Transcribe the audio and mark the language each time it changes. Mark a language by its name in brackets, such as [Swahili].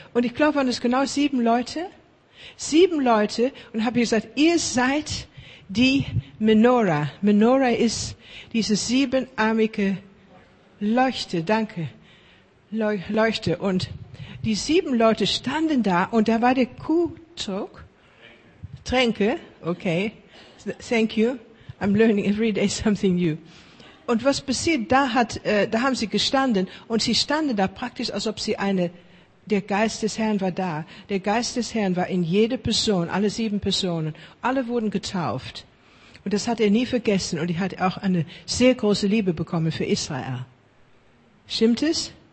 [German] Und ich glaube, waren das genau 7 Leute. 7 Leute. Und habe gesagt, ihr seid die Menorah. Menorah ist diese 7-armige Leuchte. Danke. Leuchte. Und die 7 Leute standen da und da war der Kuhtrock. Tränke, [English] okay, thank you, I'm learning every day something new. [German] Und was passiert, da haben sie gestanden und sie standen da praktisch, als ob sie eine, der Geist des Herrn war da. Der Geist des Herrn war in jede Person, alle 7 Personen, alle wurden getauft. Und das hat er nie vergessen und er hat auch eine sehr große Liebe bekommen für Israel. Stimmt es?